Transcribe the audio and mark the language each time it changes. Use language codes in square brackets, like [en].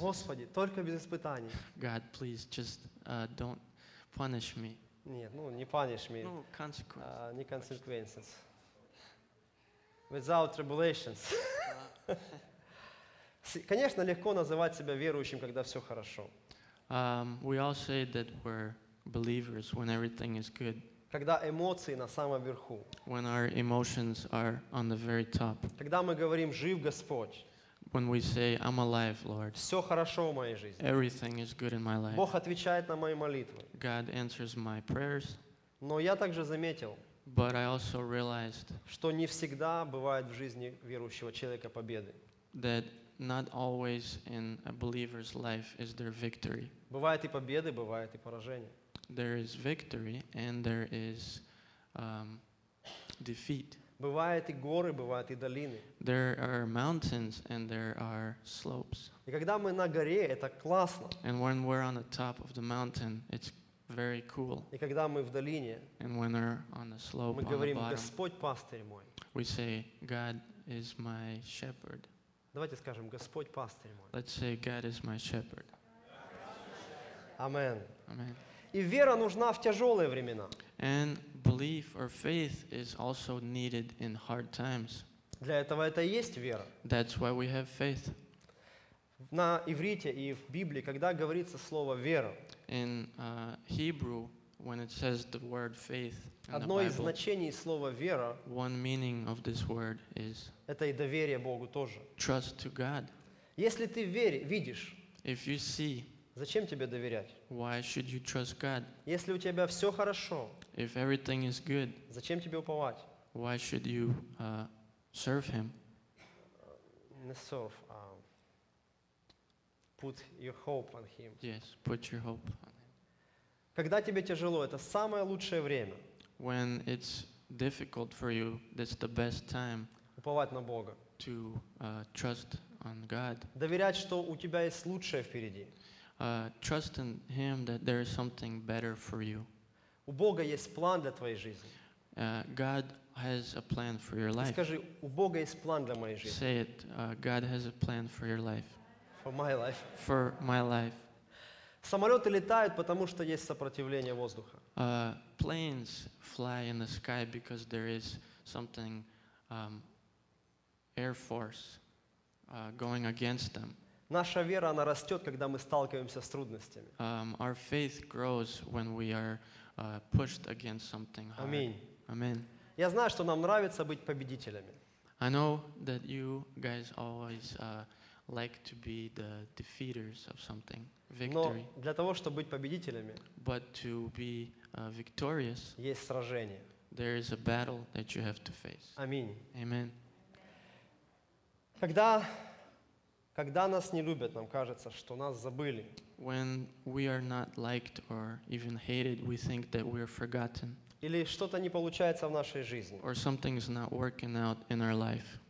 [ru] Господи, только без испытаний. [en] God, please, just don't Punish me. [ru] Нет, ну не [en] punish me. No consequences. [ru] Не [en] consequences. Without tribulations. [ru] Конечно, легко называть себя верующим, когда все хорошо. [en] We all say that we're believers when everything is good. [ru] Когда эмоции на самом верху. [en] When our emotions are on the very top. [ru] Когда мы говорим «Жив Господь». [en] When we say I'm alive, Lord. [ru] Все хорошо в моей жизни. [en] Everything is good in my life. [ru] Бог отвечает на мои молитвы. [en] God answers my prayers. [ru] Но я также заметил. [en] But I also realized. [ru] Что не всегда бывает в жизни верующего человека победы. [en] That not always in a believer's life is there victory. [ru] Бывает и победы, бывает и поражения. [en] There is victory and there is defeat. [ru] Бывают и горы, бывают и долины. [en] There are mountains and there are slopes. [ru] И когда мы на горе, это классно. [en] And when we're on the top of the mountain, it's very cool. [ru] И когда мы в долине, [en] and when we're on the slope, [ru] мы говорим, [en] on the bottom, [ru] Господь пастырь мой. [en] We say, God is my shepherd. [ru] Давайте скажем, Господь пастырь мой. [en] Let's say, God is my shepherd. Amen. Amen. [ru] И вера нужна в тяжелые времена. [en] And belief or faith is also needed in hard times. [ru] Для этого это и есть вера. [en] That's why we have faith. [ru] На иврите и в Библии, когда говорится слово вера, [en] in Hebrew, when it says the word faith, [ru] одно [en] in the Bible, [ru] из значений слова вера, [en] one meaning of this word is, [ru] это и доверие Богу тоже. [en] Trust to God. [ru] Если ты видишь, [en] if you see, [ru] зачем тебе доверять? [en] Why should you trust God? [ru] Если у тебя все хорошо, [en] if everything is good, [ru] зачем тебе уповать? [en] Why should you serve Him? [ru] Не [en] serve, put your hope on Him. Yes, put your hope on Him. [ru] Когда тебе тяжело, это самое лучшее время. [en] When it's difficult for you, that's the best time. [ru] Уповать на Бога. [en] To trust on God. [ru] Доверять, что у тебя есть лучшее впереди. [en] Trust in Him that there is something better for you. [ru] У Бога есть план для твоей жизни. [en] God has a plan for your life. [ru] Скажи, у Бога есть план для моей жизни. [en] Say it. God has a plan for your life. For my life. For my life. [ru] Самолеты летают, потому что есть сопротивление воздуха. [en] Planes fly in the sky because there is something air force going against them. [ru] Наша вера, она растет, когда мы сталкиваемся с трудностями. [en] Our faith grows when we are pushed against something hard. [ru] Аминь. [en] Amen. [ru] Я знаю, что нам нравится быть победителями. [en] I know that you guys always like to be the defeaters of something, victory. [ru] Но для того, чтобы быть победителями, [en] but to be victorious, [ru] есть сражение. [en] There is a battle that you have to face. [ru] Аминь. [en] Amen. [ru] Когда нас не любят, нам кажется, что нас забыли. [en] When we are not liked or even hated, we think that we are forgotten. [ru] Или что-то не получается в нашей жизни. [en] Or something is not working out in our life.